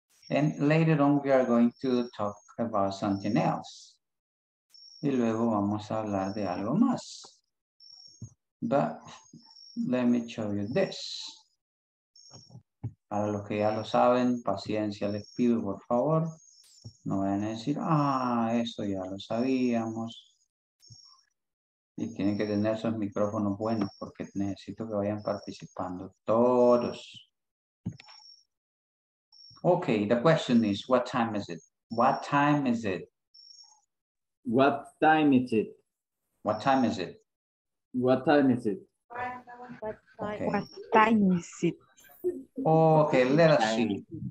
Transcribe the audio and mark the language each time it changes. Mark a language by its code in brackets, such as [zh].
[en] And later on we are going to talk about something else. [es] Y luego vamos a hablar de algo más. [en] But let me show you this. [es] Para los que ya lo saben, paciencia les pido, por favor. No vayan a decir, eso ya lo sabíamos. Y tienen que tener sus micrófonos buenos porque necesito que vayan participando todos. [en] Okay, the question is, what time is it? What time is it? What time is it? What time is it? What time is it? What time is it? Okay, let us see.